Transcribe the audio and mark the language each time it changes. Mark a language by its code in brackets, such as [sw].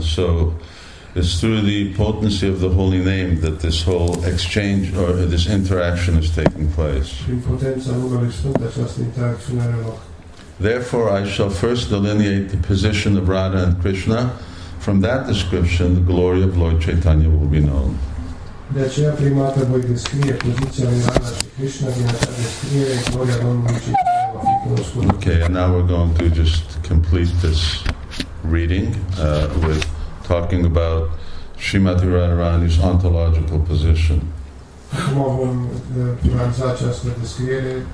[en] So it's through the potency of the holy name that this whole exchange or this interaction is taking place. [ro] Prin potența numele Sfânt această interacțiune are loc. [en] Therefore, I shall first delineate the position of Radha and Krishna. From that description, the glory of Lord Chaitanya will be known. [ro] De aceea, prima dată voi descrie poziția lui Radha și Krishna, din acea descriere, gloria Domnului Chaitanya va fi cunoscută. [en] Okay, and now we're going to just complete this reading with talking about Srimati Radharani's ontological position. [ro] Acum vom finanța această descriere.